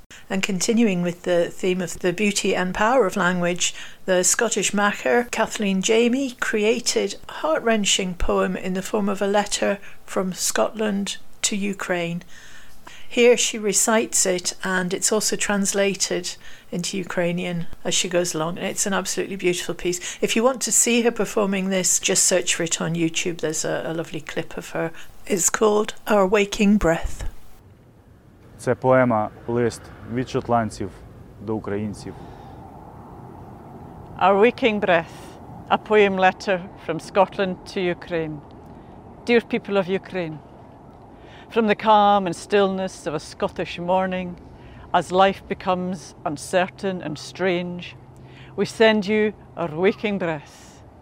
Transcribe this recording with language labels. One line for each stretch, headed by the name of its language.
English: And continuing with the theme of the beauty and power of language, the Scottish macker Kathleen Jamie created a heart-wrenching poem in the form of a letter from Scotland to Ukraine. Here she recites it, and it's also translated into Ukrainian as she goes along, and it's an absolutely beautiful piece. If you want to see her performing this, just search for it on YouTube. There's a lovely clip of her. It's called Our Waking Breath.
Ukrainian: Це поема лист від шотландців до українців.
English: Our Waking Breath, a poem letter from Scotland to Ukraine. Dear people of Ukraine, from the calm and stillness of a Scottish morning, as life becomes uncertain and strange, we send you our waking breath.